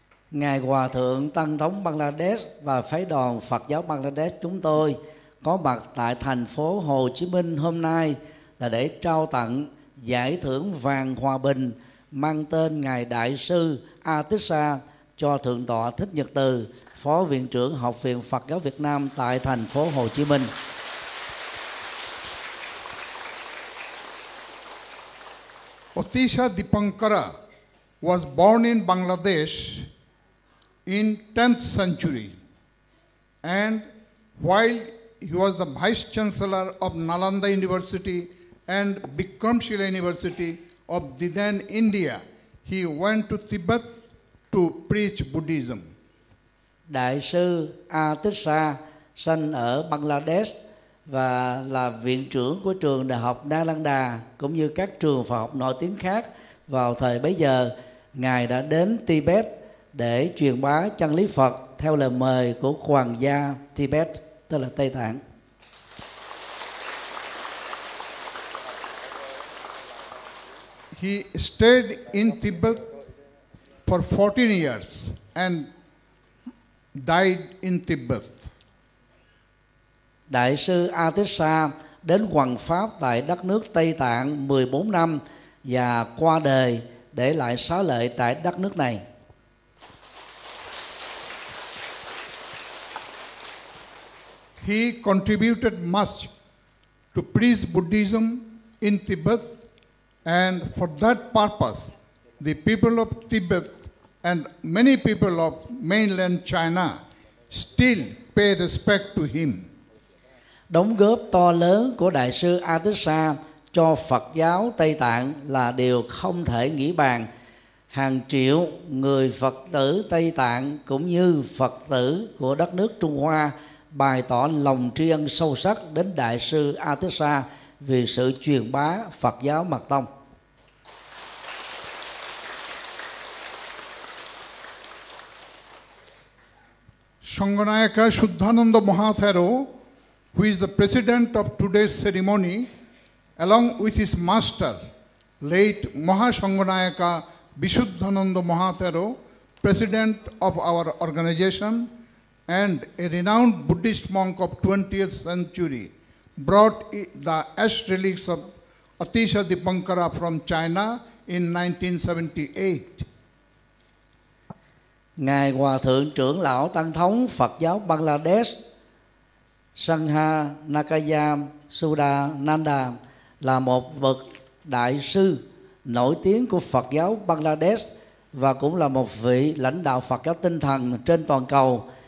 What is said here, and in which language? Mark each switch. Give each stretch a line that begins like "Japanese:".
Vietnamese: Ngài Hòa Thượng Tăng Thống Bangladesh và Phái đoàn Phật giáo Bangladesh chúng tôi có mặt tại thành phố Hồ Chí Minh hôm nay là để trao tặng giải thưởng vàng hòa bình mang tên Ngài Đại sư Atisha cho Thượng tọa Thích Nhật Từ, Phó Viện trưởng Học viện Phật giáo Việt Nam tại thành phố Hồ Chí Minh.
English: Atisha Dipankara was born in Bangladesh in 10th century, and while he was the Vice Chancellor of Nalanda University and Bikramshila University of the then India, he went to Tibet to preach Buddhism.
Vietnamese: Đại sư Atisha sinh ở Bangladesh và là viện trưởng của trường Đại học Nalanda cũng như các trường Phật học nổi tiếng khác vào thời bấy giờ. Ngài đã đến Tibet để truyền bá chân lý Phật theo lời mời của hoàng gia Tibet, tức là Tây Tạng.
English: He stayed in Tibet for 14 years and died in Tibet.
Vietnamese: Đại sư Atisha đến hoằng pháp tại đất nước Tây Tạng 14 năm và qua đời để lại xá lợi tại đất nước này.
English: He contributed much to preach Buddhism in Tibet, and for that purpose, the people of Tibet and many people of mainland China still pay respect to him.
Vietnamese: Đóng góp to lớn của Đại sư Atisha cho Phật giáo Tây Tạng là điều không thể nghĩ bàn. hàng triệu người Phật tử Tây Tạng cũng như Phật tử của đất nước Trung Hoa bày tỏ lòng tri ân sâu sắc đến Đại sư Atisha vì sự truyền bá Phật giáo Mật Tông.
English: Sanganayaka Shuddhananda Mahathero, who is the president of today's ceremony, along with his master, late Mahasanganayaka Vishuddhananda Mahathero, president of our organization and a renowned Buddhist monk of 20th century, brought the ash relics of Atisha Dipankara from China in 1978.
Vietnamese: Ngài Hòa Thượng Trưởng Lão Tăng Thống Phật Giáo Bangladesh Sangha Nakaya Sudananda là một bậc đại sư nổi tiếng của Phật Giáo Bangladesh và cũng là một vị lãnh đạo Phật Giáo tinh thần trên toàn cầu.